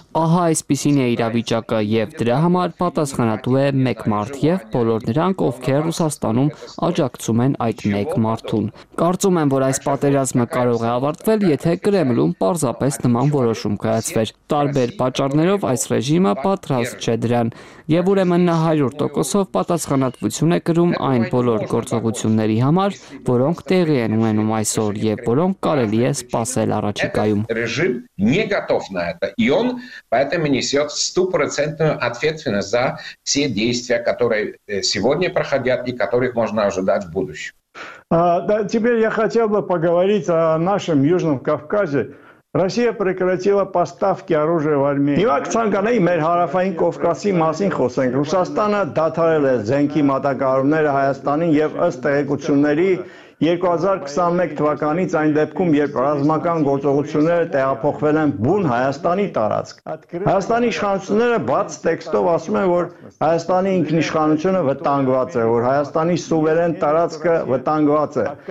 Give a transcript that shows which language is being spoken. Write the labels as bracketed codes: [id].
[hy] Ահա այսպիսին է իրավիճակը, եւ դրա համար պատասխան հանատու է մեկ մարդ եւ բոլոր նրանք, ովքեր Ռուսաստանում աջակցում են այդ մեկ մարդուն։ Կարծում եմ, որ այս պատերազմը կարող է ավարտվել, եթե Կրեմլում պարզապես նման որոշում կայացվեր։ Տարբեր պատճառներով այս ռեժիմը պատրաստ չէ դրան, եւ ուրեմն 100%-ով պատասխանատվություն է կրում այն բոլոր գործողությունների համար, որոնք տեղի են ունենում այսօր եւ որոնք կարելի է սпасել առաջիկայում։ [ru] Ռեժիմ не готов на это, и он поэтому несёт 100%-ную ответственность за все действия, которые сегодня проходят и которых можно ожидать в будущем. Да, теперь я хотел бы поговорить о нашем Южном Кавказе. Ռուսիա պրեկրատիվա պաստավկի արուժը վարմի։ [hy] Հիմա կցանկանայի մեր հարավային Կովկասի մասին խոսենք։ Ռուսաստանը դադարել է զենքի մատակարարումները Հայաստանին եւ ըստ տեղեկությունների 2021 թվականից այն դեպքում, երբ ռազմական գործողությունները տեղափոխվել են բուն Հայաստանի տարածք։ Հայաստանի իշխանությունները բաց տեքստով ասում են, որ Հայաստանի ինքնիշխանությունը վտանգված է, որ Հայաստանի սուվերեն տարածքը վտանգված է։